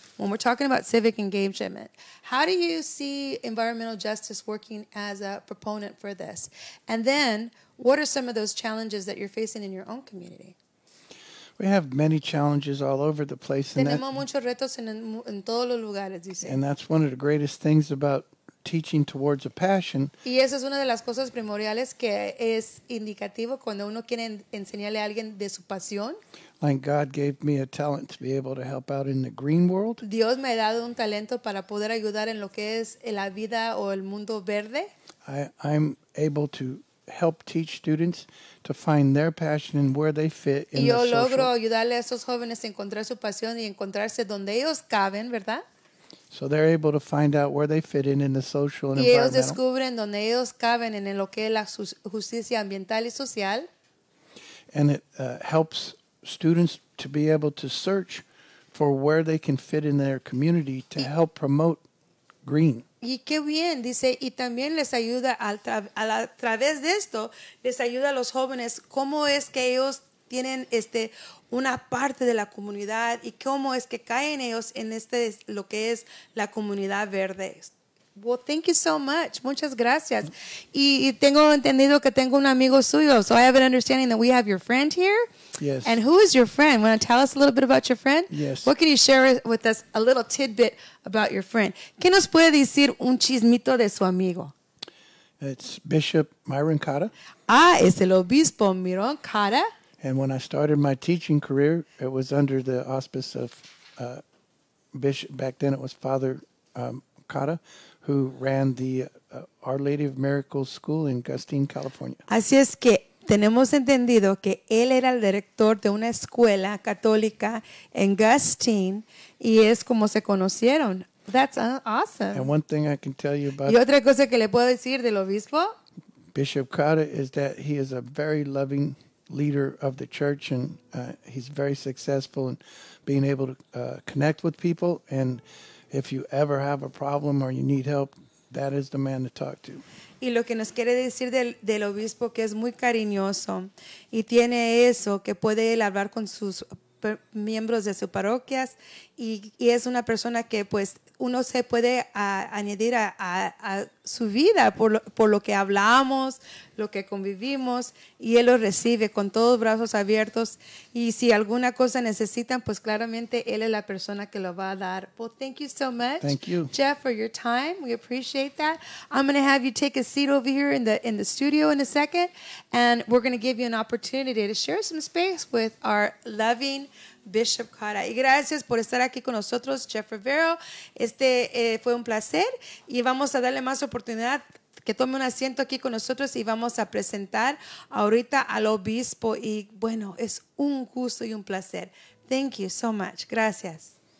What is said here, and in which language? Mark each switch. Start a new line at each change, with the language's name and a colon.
English: When we're talking about civic engagement, how do you see environmental justice working as a proponent for this? And then, what are some of those challenges that you're facing in your own community? We have many challenges all over the place.
Spanish: Tenemos muchos retos en todos los lugares, dice.
English: And that's one of the greatest things about teaching towards a passion.
Spanish: Y esa es una de las cosas primordiales que es indicativo cuando uno quiere enseñarle a alguien de su pasión.
English: Like God gave me a talent to be able to help out in the green world.
Spanish: Dios me ha dado un talento para poder ayudar en lo que es la vida o el mundo verde.
English: I'm able to help teach students to find their passion and where they fit in
Spanish: yo
English: the social.
Spanish: Yo logro ayudarle a esos jóvenes a encontrar su pasión y encontrarse donde ellos caben, ¿verdad?
English: So they're able to find out where they fit in the social and
Spanish: y ellos descubren donde ellos caben en lo que es la justicia ambiental y social.
English: And it helps students to be able to search for where they can fit in their community to help promote green.
Spanish: Y qué bien, dice, y también les ayuda a través de esto, les ayuda a los jóvenes cómo es que ellos tienen una parte de la comunidad y cómo es que caen ellos en lo que es la comunidad verde.
English: Well, thank you so much.
Spanish: Muchas gracias. Y tengo entendido que tengo un amigo suyo.
English: So I have an understanding that we have your friend here. Yes. And who is your friend? Want to tell us a little bit about your friend? Yes. What can you share with us a little tidbit about your friend?
Spanish: ¿Qué nos puede decir un chismito de su amigo?
English: It's Bishop Myron Cotta.
Spanish: Ah, es el obispo Myron Cotta.
English: And when I started my teaching career, it was under the auspice of Bishop. Back then it was Father Cotta, who ran the Our Lady of Miracles School in Gustine, California.
Spanish: Así es que tenemos entendido que él era el director de una escuela católica en Gustine, y es como se conocieron.
English: That's awesome. And one thing I can tell you about.
Spanish: Y otra cosa que le puedo decir del obispo.
English: Bishop Cotta is that he is a very loving leader of the church, and he's very successful in being able to connect with people. And if you ever have a problem or you need help, that is the man to talk to.
Spanish: Y lo que nos quiere decir del obispo, que es muy cariñoso y tiene eso, que puede él hablar con sus miembros de sus parroquias, y es una persona que pues uno se puede añadir a su vida por lo que hablamos, lo que convivimos, y él lo recibe con todos brazos abiertos. Y si alguna cosa necesitan, pues claramente él es la persona que lo va a dar.
English: Well, thank you so much. Thank you, Jeff, for your time. We appreciate that. I'm going to have you take a seat over here in the studio in a second, and we're going to give you an opportunity to share some space with our loving Bishop Cotta.
Spanish: Y gracias por estar aquí con nosotros, Jeff Rivero. Fue un placer, y vamos a darle más oportunidad que tome un asiento aquí con nosotros, y vamos a presentar ahorita al obispo. Y bueno, es un gusto y un placer.
English: Thank you so much.
Spanish: Gracias.